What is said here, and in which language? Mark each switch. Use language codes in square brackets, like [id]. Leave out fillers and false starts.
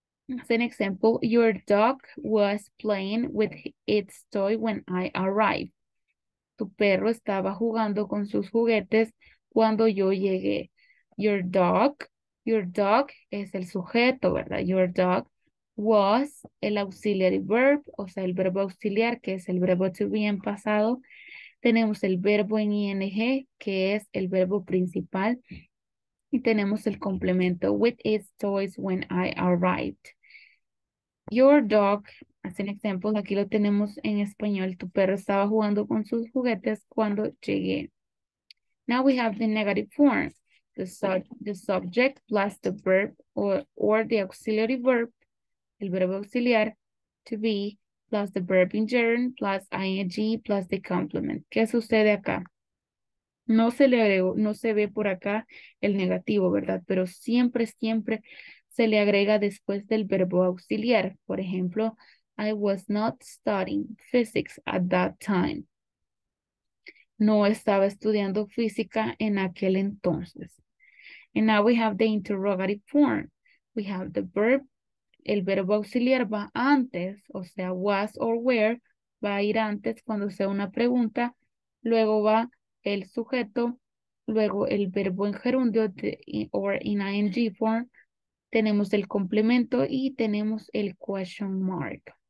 [en] As an example, your dog was playing with its toy when I arrived. [es] Tu perro estaba jugando con sus juguetes cuando yo llegué. Your dog es el sujeto, ¿verdad? [en] Your dog was [es] el [en] auxiliary verb, [es] o sea, el verbo auxiliar, que es el verbo to be en pasado. Tenemos el verbo en ing, que es el verbo principal. Y tenemos el complemento [en] with its toys when I arrived. Your dog, as an example, [es] aquí lo tenemos en español. Tu perro estaba jugando con sus juguetes cuando llegué. [en] Now we have the negative form. The subject plus the verb or the auxiliary verb. [es] El verbo auxiliar, [en] to be, plus the verb in gerund, plus ing, plus the complement. [es] ¿Qué sucede acá? No se le agregó, no se ve por acá el negativo, ¿verdad? Pero siempre, siempre se le agrega después del verbo auxiliar. Por ejemplo, [en] I was not studying physics at that time. [es] No estaba estudiando física en aquel entonces. [en] And now we have the interrogative form. We have the verb. [es] El verbo auxiliar va antes, o sea, was or were, va a ir antes cuando sea una pregunta, luego va el sujeto, luego el verbo en gerundio [en] or in ing form, [es] tenemos el complemento y tenemos el [en] question mark.